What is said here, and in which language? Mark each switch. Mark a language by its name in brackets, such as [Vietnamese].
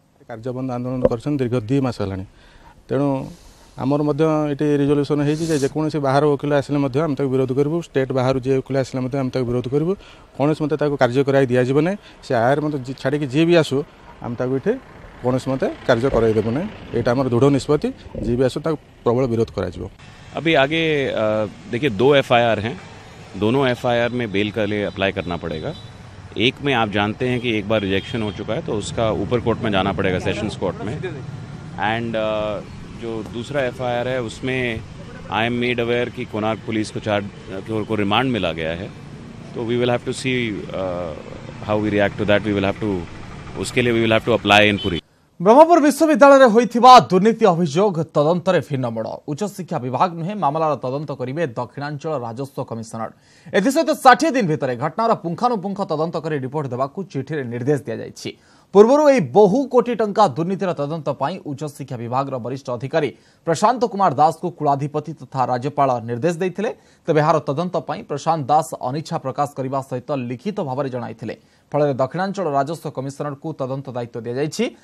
[Odia] କାର୍ଯ୍ୟବନ୍ଦ ଆନ୍ଦୋଳନ କରିଛନ୍ତି ଦୀର୍ଘ 2 ହେଲାଣି, ତେଣୁ ଆମର ମଧ୍ୟ ଏଠି ରିଜଲ୍ୟୁସନ୍ ହେଇଛି ଯେ ଯେକୌଣସି ବାହାର ଓକିଲ ଆସିଲେ ମଧ୍ୟ ଆମେ ତାକୁ ବିରୋଧ କରିବୁ, ଷ୍ଟେଟ୍ ବାହାରୁ ଯିଏ ଓକିଲ ଆସିଲେ ମଧ୍ୟ ଆମେ ତାକୁ ବିରୋଧ କରିବୁ, କୌଣସି ମତେ ତାକୁ କାର୍ଯ୍ୟ କରାଇ ଦିଆଯିବ ନାହିଁ, ସେ ଆୟର ମଧ୍ୟ ଛାଡ଼ିକି ଯିଏ ବି ଆସୁ ଆମେ ତାକୁ ଏଠି କୌଣସି ମତେ କାର୍ଯ୍ୟ କରାଇ ଦେବୁ ନାହିଁ, ଏଇଟା ଆମର ଦୃଢ଼ ନିଷ୍ପତ୍ତି, ଯିଏ ବି ଆସୁ ତାକୁ ପ୍ରବଳ ବିରୋଧ କରାଯିବ। [Hindi] अभी आगे देखिए दो FIR हैं, दोनों FIR में बेल के लिए अप्लाई करना पड़ेगा। एक में आप जानते हैं कि एक बार रिजेक्शन हो चुका है तो उसका ऊपर कोर्ट में जाना पड़ेगा, सेशंस कोर्ट में। [English] and [Hindi] जो दूसरा FIR है उसमें [English] I am made aware [Hindi] कि कोणार्क पुलिस को चार्ज रिमांड मिला गया है, तो [English] we will have to see how we react to that, we will have to [Hindi] उसके लिए [English] We will have to apply in Puri. [Odia] ବ୍ରହ୍ମପୁର ବିଶ୍ୱବିଦ୍ୟାଳୟରେ ହୋଇଥିବା ଦୁର୍ନୀତି ଅଭିଯୋଗ ତଦନ୍ତରେ ଭିନ୍ନମୋଡ଼, ଉଚ୍ଚଶିକ୍ଷା ବିଭାଗ ନୁହେଁ ମାମଲାର ତଦନ୍ତ କରିବେ ଦକ୍ଷିଣାଞ୍ଚଳ ରାଜସ୍ୱ କମିଶନର। ଏଥିସହିତ 60 ଦିନ ଭିତରେ ଘଟଣାର ପୁଙ୍ଖାନୁପୁଙ୍ଖ ତଦନ୍ତ କରି ରିପୋର୍ଟ ଦେବାକୁ ଚିଠିରେ ନିର୍ଦ୍ଦେଶ ଦିଆଯାଇଛି। ପୂର୍ବରୁ ଏହି ବହୁ କୋଟି ଟଙ୍କା ଦୁର୍ନୀତିର ତଦନ୍ତ ପାଇଁ ଉଚ୍ଚଶିକ୍ଷା ବିଭାଗର ବରିଷ୍ଠ ଅଧିକାରୀ ପ୍ରଶାନ୍ତ କୁମାର ଦାସଙ୍କୁ କୁଳାଧିପତି ତଥା ରାଜ୍ୟପାଳ ନିର୍ଦ୍ଦେଶ ଦେଇଥିଲେ, ତେବେ ଏହାର ତଦନ୍ତ ପାଇଁ ପ୍ରଶାନ୍ତ ଦାସ ଅନିଚ୍ଛା ପ୍ରକାଶ କରିବା ସହିତ ଲିଖିତ ଭାବରେ ଜଣାଇଥିଲେ, ଫଳରେ ଦକ୍ଷିଣାଞ୍ଚଳ ରାଜସ୍ୱ କମିଶନରଙ୍କୁ ତଦନ୍ତ ଦାୟିତ୍ୱ ଦିଆଯାଇଛି।